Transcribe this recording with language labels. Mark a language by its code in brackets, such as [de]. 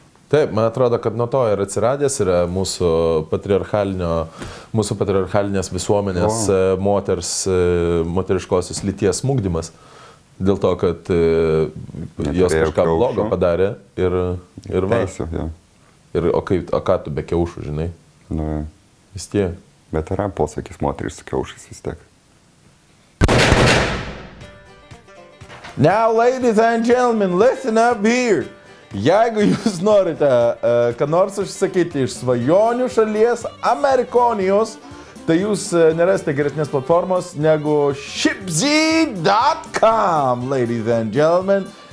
[lt] Taip, man atrodo, kad nuo to ir atsiradęs yra mūsų patriarchalinės visuomenės moteriškosios lyties smugdymas. Dėl to, kad jos kažką blogo padarė ir va. Teisiu, jo. Ir o ką tu be kiaušų, žinai? Nu, jo. Vis tie. Bet yra posakys moteris su kiaušais vis tiek. [en] Now, ladies and gentlemen, listen up here. [lt] Jeigu jūs norite ką nors užsisakyti iš svajonių šalies, Amerikonijos, tai jūs nerasite geresnės platformos negu shipzy.com, [en] ladies and gentlemen.